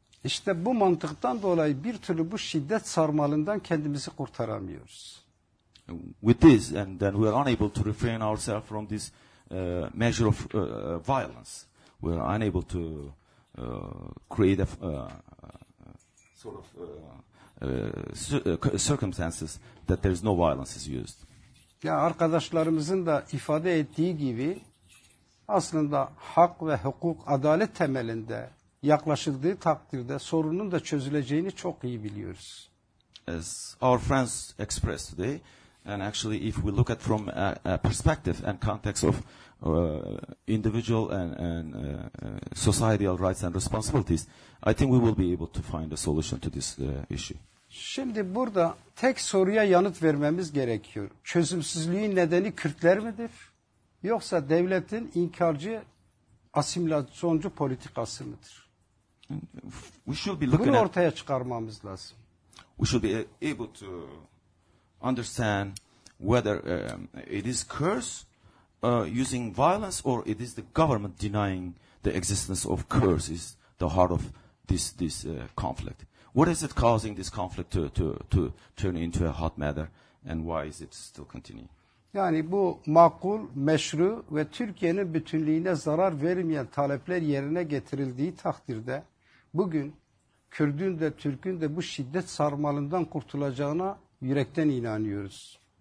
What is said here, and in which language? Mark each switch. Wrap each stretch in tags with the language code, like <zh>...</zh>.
<tr>İşte bu mantıktan dolayı bir türlü bu şiddet sarmalından kendimizi kurtaramıyoruz.</tr> <en>With this, and then we are unable to refrain ourselves from this measure of violence. We are unable to create a sort of circumstances that there is no violence is used.</en> <tr>Ya arkadaşlarımızın da ifade ettiği gibi aslında hak ve hukuk adalet temelinde yaklaşıldığı takdirde sorunun da çözüleceğini çok iyi biliyoruz.</tr> <en>As our friends expressed today, and actually if we look at from a perspective and context of individual and societal rights and responsibilities, I think we will be able to find a solution to this issue.</en> <tr>Şimdi burada tek soruya yanıt vermemiz gerekiyor. Çözümsüzlüğün nedeni Kürtler midir? Yoksa devletin inkarcı asimilasyoncu politikası mıdır?</tr> <en>We should be looking</en> <tr>bunu ortaya çıkarmamız lazım.</tr> <en>We should be able to understand whether it is Kurds using violence or it is the government denying the existence of Kurds is the heart of this conflict. What is it causing this conflict to turn into a hot matter and why is it still continuing?</en> <tr>Yani bu makul, meşru ve Türkiye'nin bütünlüğüne zarar vermeyen talepler yerine getirildiği takdirde bugün Kürt'ün de Türk'ün de bu şiddet sarmalından kurtulacağına yürekten inanıyoruz.</tr>